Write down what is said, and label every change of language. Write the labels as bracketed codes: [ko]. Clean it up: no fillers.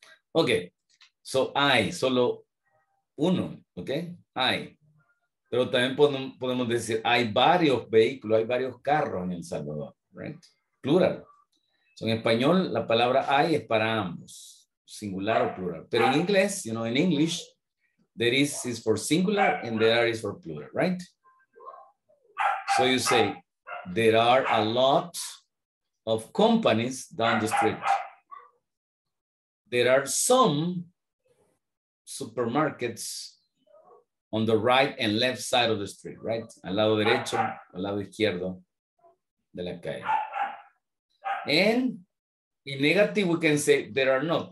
[es] Ok, so hay, solo uno, ok, hay. Pero también podemos decir, hay varios vehículos, hay varios carros en El Salvador, right? Plural. So, en español, la palabra hay es para ambos, singular o plural. Pero en inglés, [en] you know, in English, there is for singular and there are is for plural, right? So you say, there are a lot of companies down the street. There are some supermarkets on the right and left side of the street, right? [es] Al lado derecho, al lado izquierdo de la calle. [en] And in negative, we can say, there are not.